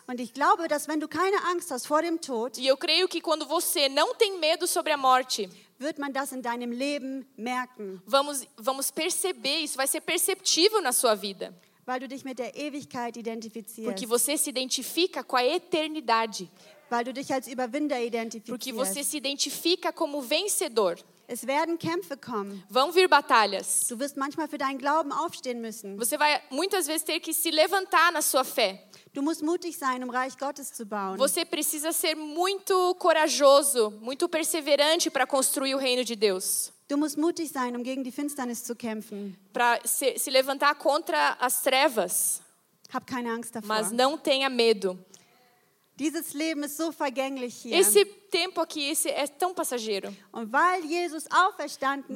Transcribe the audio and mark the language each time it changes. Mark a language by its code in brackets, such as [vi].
[de] Und ich glaube, dass wenn du keine Angst hast vor dem Tod, [pt] e eu creio que quando você não tem medo sobre a morte, [de] wird man das in deinem Leben merken. [pt] Vamos perceber, isso vai ser perceptível na sua vida. [de] Weil du dich mit der Ewigkeit identifizierst. [pt] Porque você se identifica com a eternidade. [de] Weil du dich als Überwinder identifizierst. [pt] Porque você se identifica como vencedor. [de] Es werden Kämpfe kommen. [pt] Vão vir batalhas. [de] Du wirst manchmal für deinen Glauben aufstehen müssen. [pt] Você vai muitas vezes ter que se levantar na sua fé. [de] Du musst mutig sein, um Reich Gottes zu bauen. [pt] Você precisa ser muito corajoso, muito perseverante para construir o reino de Deus. [de] Du musst mutig sein, um gegen die Finsternis zu kämpfen. [pt] Para se levantar contra as trevas. [de] Hab keine Angst davor. [pt] Mas não tenha medo. [de] Dieses Leben ist so vergänglich hier. [pt] Esse tempo aqui, esse é tão passageiro. [de] Und weil Jesus auferstanden